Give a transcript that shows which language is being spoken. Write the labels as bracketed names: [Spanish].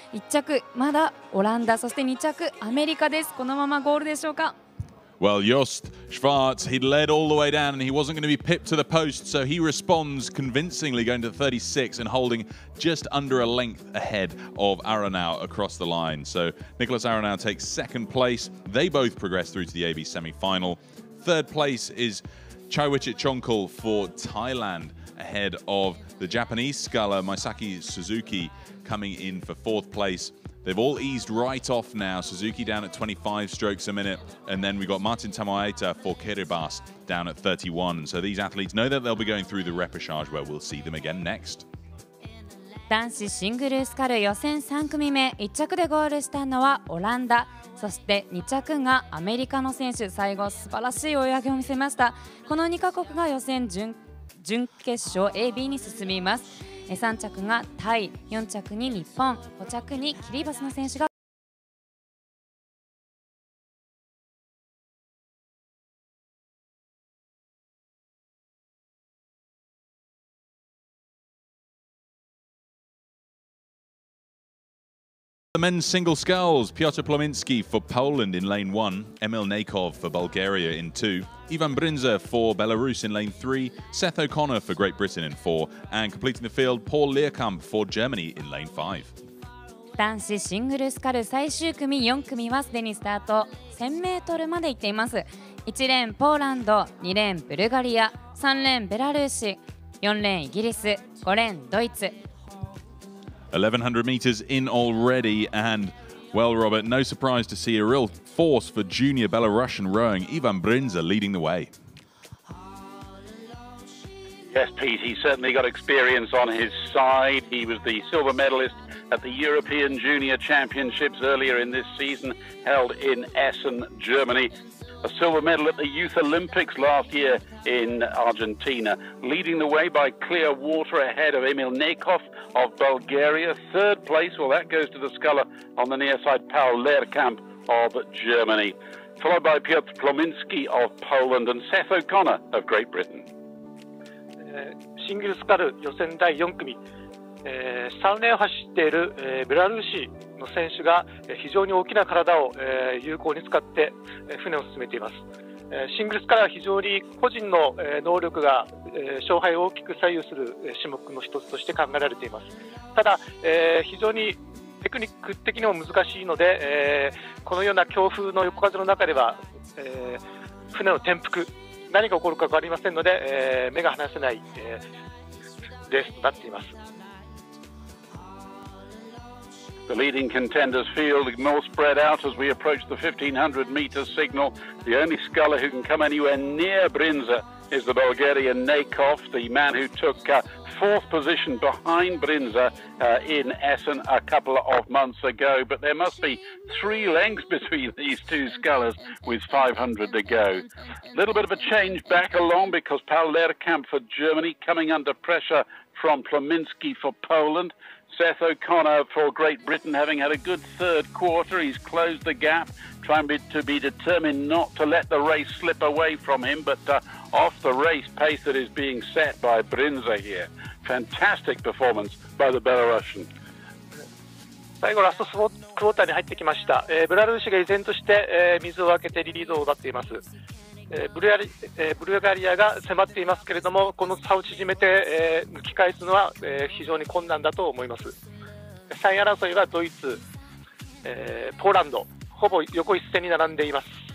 [Japanese] 1着まだオランダ、そして2着アメリカです。このままゴールでしょうか。 [English] Well, Jost Schwartz, he led all the way down and he wasn't going to be pipped to the post, so he responds convincingly going to 36 and holding just under a length ahead of Arenal across the line. So Nicholas Arenal takes second place. They both progress through to the AB semi-final. Third place isChaiwichichonkul for Thailand ahead of the Japanese sculler Maisaki Suzuki coming in for fourth place. They've all eased right off now. Suzuki down at 25 strokes a minute. And then we've got Martin Tamaeta for Kiribati down at 31. So these athletes know that they'll be going through the repechage where we'll see them again next. [Japanese] 男子シングルスカル予選3組目、1着でゴールしたのはオランダ、そして2着がアメリカの選手。最後素晴らしい追い上げを見せました。この2カ国が予選 準決勝 AB に進みます。 3着がタイ、4着に日本、5着にキリバスの選手が。 [English] The men's single sculls, Piotr Plominski for Poland in lane one, Emil Nakov for Bulgaria in two, Ivan Brinza for Belarus in lane three, Seth O'Connor for Great Britain in four, and completing the field, Paul Leerkamp for Germany in lane five. [Japanese] 男子シングルスカル最終組4組はすでにスタート、1000メートルまで行っています。 1レーンポーランド、2レーンブルガリア、3レーンベラルーシ、4レーンイギリス、5レーンドイツ。 [English] 1100 meters in already, and well, Robert, no surprise to see a real force for junior Belarusian rowing. Ivan Brinza leading the way. Yes, Pete, he's certainly got experience on his side. He was the silver medalist at the European Junior Championships earlier in this season, held in Essen, Germany. A silver medal at the Youth Olympics last year in Argentina. Leading the way by clear water ahead of Emil Nakov of Bulgaria. Third place, well, that goes to the sculler on the near side, Paul Leerkamp of Germany. Followed by Piotr Plominski of Poland and Seth O'Connor of Great Britain. [Japanese] シングルスカル予選第4組、3レーンを走っている、ベラルーシの選手が、非常に大きな体を、有効に使って、船を進めています。シングルスカルは非常に個人の、能力が、勝敗を大きく左右する、種目の一つとして考えられています。ただ、非常にテクニック的にも難しいので、このような強風の横風の中では、船の転覆、何が起こるか分かりませんので、目が離せない、レースとなっています。 [English] The leading contenders feel more spread out as we approach the 1500 meter signal. The only sculler who can come anywhere near Brinza is the Bulgarian Nakov, the man who took fourth position behind Brinza in Essen a couple of months ago. But there must be three lengths between these two scullers with 500 to go. Little bit of a change back along because Paul Lehrkamp for Germany coming under pressure from Plominski for Poland. Seth O'Connor for Great Britain having had a good third quarter. He's closed the gap, trying to be determined not to let the race slip away from him, but off the race pace that is being set by Brinza here. Fantastic performance by the Belarusian. [Japanese] 最後ラストスポーツクォーターに入ってきました。ベラルーシが依然として水を開けてリリードを奪っています。ブルガリアが迫っていますけれども、この差を縮めて抜き返すのは非常に困難だと思います。 3位争いはドイツ、ポーランド、ほぼ横一線に並んでいます。